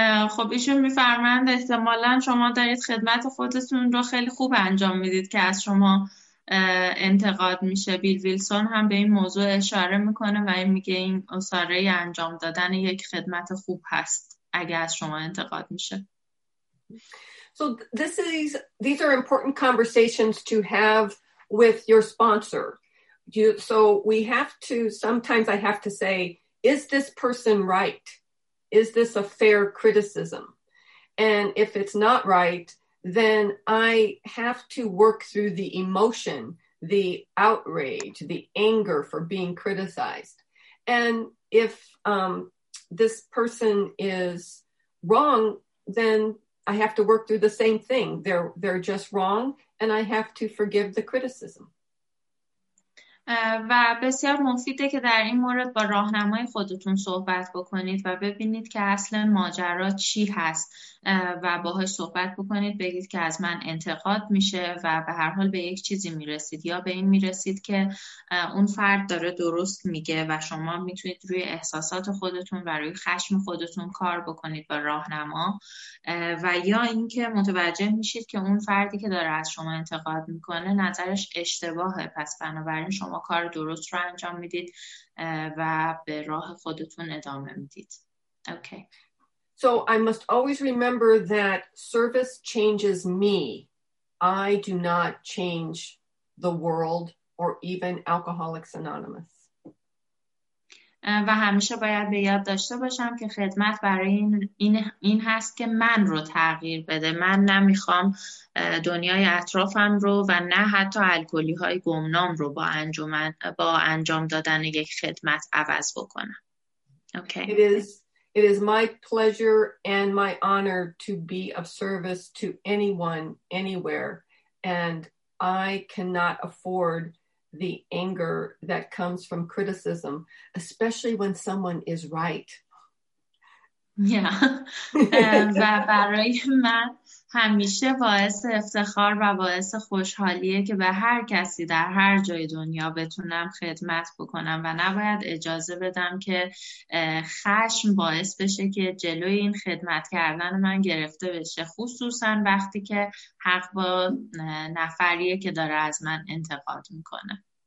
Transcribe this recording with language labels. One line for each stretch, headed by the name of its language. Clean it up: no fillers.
Persian: خب ایشون میفرمایند احتمالاً شما دارید خدمت خودتون رو خیلی خوب انجام میدید که از شما انتقاد میشه. بیل ویلسون هم به این موضوع اشاره میکنه و این میگه این اثاره ای انجام دادن یک خدمت خوب هست اگه از شما انتقاد میشه.
English: So these are important conversations to have with your sponsor. So we have to, sometimes I have to say, is this person right? Is this a fair criticism? And if it's not right, then I have to work through the emotion, the outrage, the anger for being criticized. And if this person is wrong, then I have to work through the same thing. They're just wrong, and I have to forgive the criticism.
Persian: و بسیار مفیده که در این مورد با راهنمای خودتون صحبت بکنید و ببینید که اصل ماجرا چی هست و باهاش صحبت بکنید، بگید که از من انتقاد میشه و به هر حال به یک چیزی میرسید، یا به این میرسید که اون فرد داره درست میگه و شما میتونید روی احساسات خودتون و روی خشم خودتون کار بکنید با راهنما، و یا اینکه متوجه میشید که اون فردی که داره از شما انتقاد میکنه نظرش اشتباهه، پس بنابراین شما کار درست رو انجام میدید و به راه خودتون ادامه میدید.
English: Okay. So I must always remember that service changes me. I do not change the world or even Alcoholics Anonymous.
Persian: و همیشه باید به یاد داشته باشم که خدمت برای این هست که من رو تغییر بده. من نمیخوام دنیای اطرافم رو و نه حتی الکلی‌های گمنام رو با انجام دادن یک خدمت عوض بکنم.
English: Okay. It is my pleasure and my honor to be of service to anyone, anywhere, and I cannot afford the anger that comes from criticism, especially when someone is right. Yeah.
Persian: و برای من همیشه باعث افتخار و باعث خوشحالیه که به هر کسی در هر جای دنیا بتونم خدمت بکنم و نباید اجازه بدم که خشم باعث بشه که جلوی این خدمت کردن من گرفته بشه، خصوصا وقتی که حق با نفریه که داره از من انتقاد میکنه.